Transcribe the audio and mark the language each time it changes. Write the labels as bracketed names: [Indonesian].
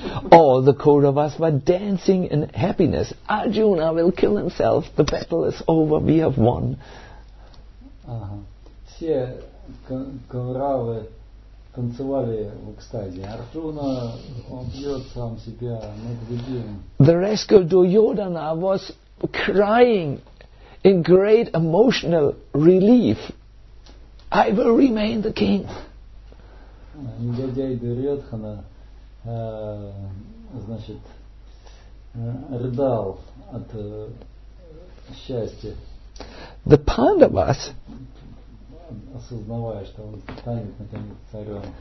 [English] All the Kauravas were dancing in happiness. Arjuna will kill himself. The battle is over. We have won. Ага. [Russian] Все Кауравы танцевали в экстазе. Арджуна, он бьет сам себя. Мы победим. [English] The rascal Duryodhana was crying in great emotional relief. I will remain the king. [Russian] Негодяй Дурьотхана, значит, рыдал от счастья. [English] The Pandavas, [Russian] осознавая, что он станет наконец царем.